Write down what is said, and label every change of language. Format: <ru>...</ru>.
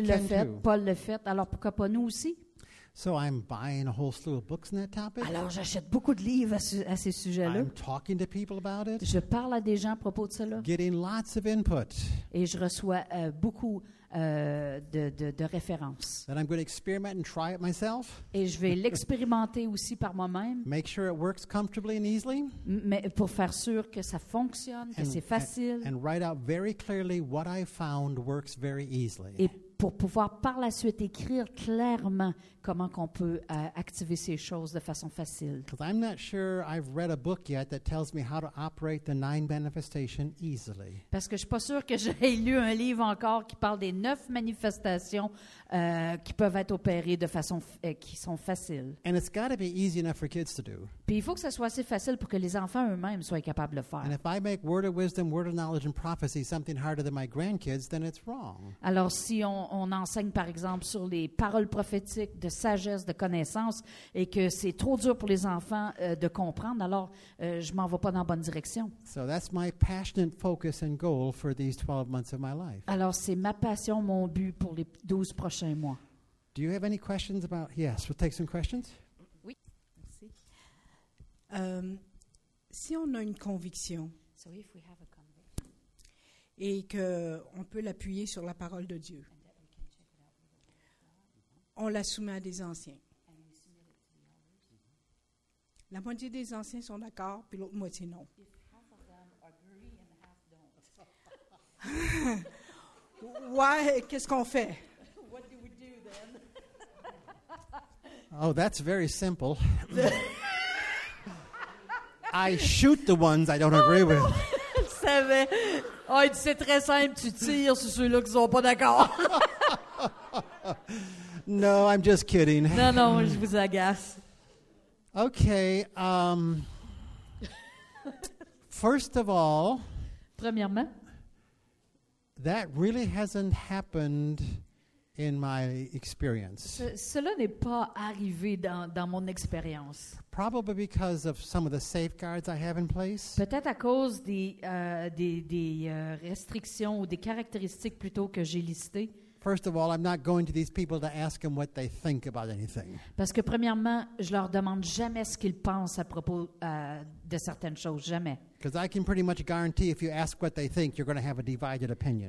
<fr>l'a fait, Paul l'a fait, alors pourquoi pas nous aussi?</fr> <en>So I'm buying a whole slew of books on that topic.</en> <fr>Alors j'achète beaucoup de livres à ces sujets-là.</fr> <en>I'm talking to people about it.</en> <fr>Je parle à des gens à propos de cela.</fr> <en>Getting lots of input.</en> <fr>Et je reçois beaucoup de références.</fr> <en>And I'm going to experiment and try it myself.</en> <fr>Et je vais l'expérimenter aussi par moi-même.</fr> <en>Make sure it works comfortably and easily.</en> <fr>Mais pour faire sûr que ça fonctionne, que c'est facile.</fr> <en>And write out very clearly what I found works very easily.</en> <fr>Pour pouvoir par la suite écrire clairement comment qu'on peut activer ces choses de façon facile.</fr> <en>Because I'm not sure I've read a book yet that tells me how to operate the nine manifestations easily.</en> <fr>Parce que je suis pas sûr que j'ai lu un livre encore qui parle des neuf manifestations qui peuvent être opérées de façon qui sont faciles.</fr> <en>And it's got to be easy enough for kids to do.</en> <fr>Puis il faut que ça soit assez facile pour que les enfants eux-mêmes soient capables de le faire.</fr> <en>And if I make word of wisdom, word of knowledge, and prophecy something harder than my grandkids, then it's wrong.</en> <fr>Alors si on enseigne par exemple sur les paroles prophétiques de sagesse, de connaissance et que c'est trop dur pour les enfants de comprendre, alors je m'en vais pas dans la bonne direction.</fr> <en>So that's my passionate focus and goal for these 12 months of my life. Alors c'est ma passion, mon but pour les 12 prochains mois. Do you have any questions about? Yes, we'll take some questions.</en> <fr>Oui, merci. Si on a une conviction,</fr> <en>so if we have a conviction,</en> <fr>et qu'on peut l'appuyer sur la parole de Dieu, on la soumet à des anciens. La moitié des anciens sont d'accord, puis l'autre moitié non. Ouais, qu'est-ce qu'on fait?</fr> <en>What do we do then? Oh, that's very simple. I shoot the ones I don't agree with. savais.</en> <fr>Oh, il dit, c'est très simple, tu tires sur ceux-là qui sont pas d'accord.</fr> <en>No, I'm just kidding.</en> <fr>Non, non, je vous agace.</fr> <en>Okay, first of all,</en> <fr>premièrement,</fr> <en>that really hasn't happened in my experience.</en> <fr>Cela n'est pas arrivé dans mon expérience.</fr> <en>Probably because of some of the safeguards I have in place.</en> <fr>Peut-être à cause des restrictions ou des caractéristiques plutôt que j'ai listées.</fr> <en>First of all, I'm not going to these people to ask them what they think about anything.</en> <fr>Parce que premièrement, je leur demande jamais ce qu'ils pensent à propos de certaines choses, jamais.</fr> <en>Because I can pretty much guarantee if you ask what they think, you're going to have a divided opinion.</en>